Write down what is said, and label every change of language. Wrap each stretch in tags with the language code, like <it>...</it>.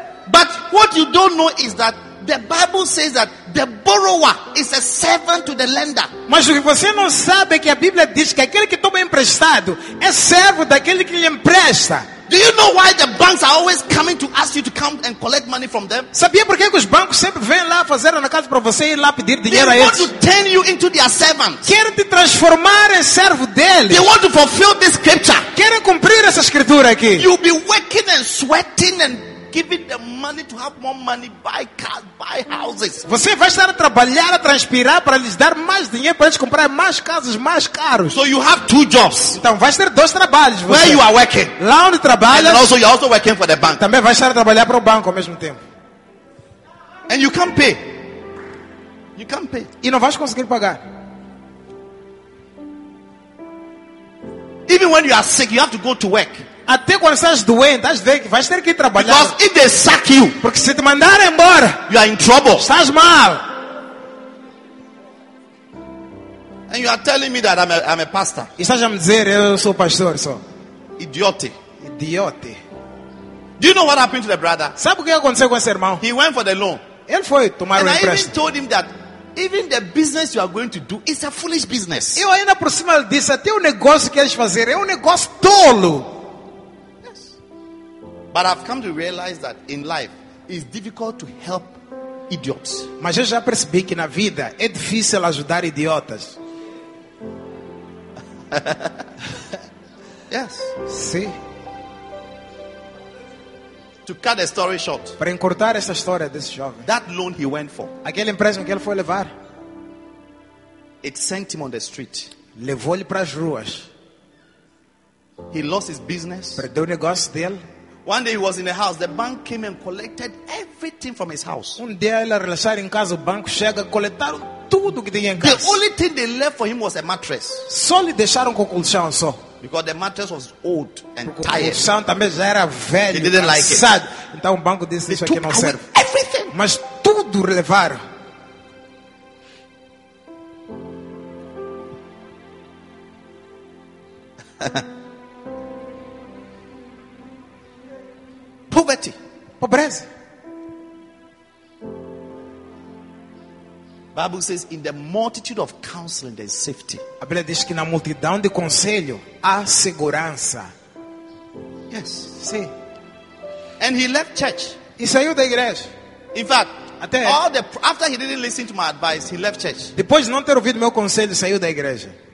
<en>But what you don't know is that the Bible says that the borrower is a servant to the lender.</en> <pt>Mas o que você não sabe é que a Bíblia diz que aquele que toma emprestado é servo daquele que lhe empresta.</pt> <en>Do you know why the banks are always coming to ask you to come and collect money from them?</en> <pt>Sabia por que os bancos sempre vêm lá fazer na casa para você ir lá pedir dinheiro a eles?</pt> <en>They want to turn you into their servant.</en> <pt>Querem te transformar em servo deles.</pt> <en>They want to fulfill this scripture.</en> <pt>Querem cumprir essa escritura aqui.</pt> <en>You'll be working and sweating and giving the money to have more money, buy cars, buy houses.</en> <pt>Você vai estar a trabalhar, a transpirar para lhes dar mais dinheiro para eles comprar mais casas, mais carros.</pt> <en>So you have two jobs.</en> <pt>Então vai ter dois trabalhos. Você.</pt> <en>Where you are working.</en> <pt>Lá onde trabalha.</pt> <en>And also you are also working for the bank.</en> <pt>Também vai estar a trabalhar para o banco ao mesmo tempo.</pt> <en>And you can't pay. You can't pay.</en> <pt>E não vais conseguir pagar.</pt> <en>Even when you are sick, you have to go to work.</en> <pt>Até quando estás doente, às vezes vais ter que trabalhar.</pt> <en>Because if they sack you,</en> <pt>porque se te mandarem embora,</pt> <en>you are in trouble.</en> <pt>Estás mal.</pt> <en>And you are telling me that I'm a pastor.</en> <pt>E estás a me dizer eu sou pastor, só.</pt> <en>Idiote. Idiote. Do you know what happened to the brother?</en> <pt>Sabe o que aconteceu com esse irmão?</pt> <en>He went for the loan.</en> <pt>Ele foi tomar</pt> <en>and</en> <pt>o empréstimo.</pt> <en>And I even told him that even the business you are going to do is a foolish business.</en> <pt>Eu ainda por cima disse até o negócio que queres fazer é um negócio tolo.</pt> <en>But I've come to realize that in life it's difficult to help idiots.</en> <pt>Mas eu já percebi que na vida é difícil ajudar idiotas.</pt> <en>Yes.</en> <pt>Sim.</pt> <en>To cut a story short.</en> <pt>Para encurtar essa história desse jovem.</pt> <en>That loan he went for.</en> <pt>Aquele empréstimo que ele foi levar.</pt> <en>It sent him on the street.</en> <pt>Levou-lhe para as ruas.</pt> <en>He lost his business.</en> <pt>Perdeu o negócio dele.</pt> <en>One day he was in the house. The bank came and collected everything from his house.</en> <pt>Um dia ele a relaxar em casa, o banco chega, coletaram tudo que tinha em casa.</pt> <en>The only thing they left for him was a mattress.</en> <pt>Só lhe deixaram com o colchão só.</pt> <en>Because the mattress was old and</en> <pt>porque</pt> <en>tired.</en> <pt>O colchão também já era velho.</pt> <en>He didn't like sad. It.</en> <pt>Então o banco disse</pt> <en>they</en> <pt>isso aqui não</pt> <en>away</en> <pt>serve.</pt> <en>Everything.</en> <pt>Mas tudo levaram.</pt> <en>Poverty.</en> <pt>Pobreza.</pt> <en>Bible says in the multitude of counseling there is safety.</en> <pt>A Bíblia diz que na multidão de conselho há segurança.</pt> <en>Yes, see. And he left church.</en> <pt>E saiu da igreja.</pt> <en>In fact, after he didn't listen to my advice, he left church.</en> <pt>Depois de não ter ouvido meu conselho, saiu da igreja.</pt>